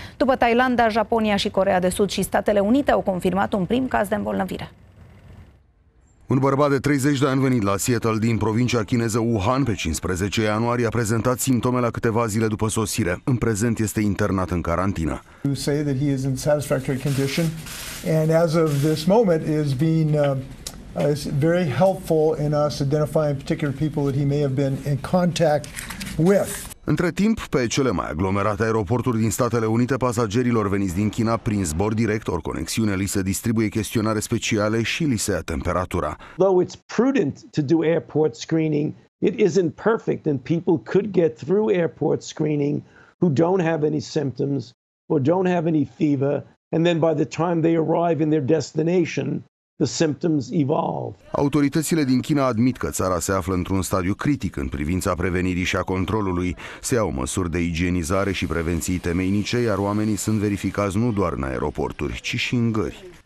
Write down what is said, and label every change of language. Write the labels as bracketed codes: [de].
[ro] După Thailanda, Japonia și Coreea de Sud și Statele Unite au confirmat un prim caz de îmbolnăvire. Un bărbat de 30 de ani venit la Seattle din provincia chineză Wuhan pe 15 ianuarie a prezentat simptome la câteva zile după sosire. În prezent este internat în carantină. [en] You say that he is in satisfactory condition and as of this moment is being is very helpful in us identifying particular people that he may have been in contact with. [ro] Între timp, pe cele mai aglomerate aeroporturi din Statele Unite, pasagerilor veniți din China prin zbor direct ori conexiune li se distribuie chestionare speciale și li se ia temperatura. [en] Though it's prudent to do airport screening, it isn't perfect and people could get through airport screening who don't have any symptoms or don't have any fever and then by the time they arrive in their destination, the symptoms evolve. [ro] Autoritățile din China admit că țara se află într-un stadiu critic în privința prevenirii și a controlului. Se iau măsuri de igienizare și prevenții temeinice, iar oamenii sunt verificați nu doar în aeroporturi, ci și în gări.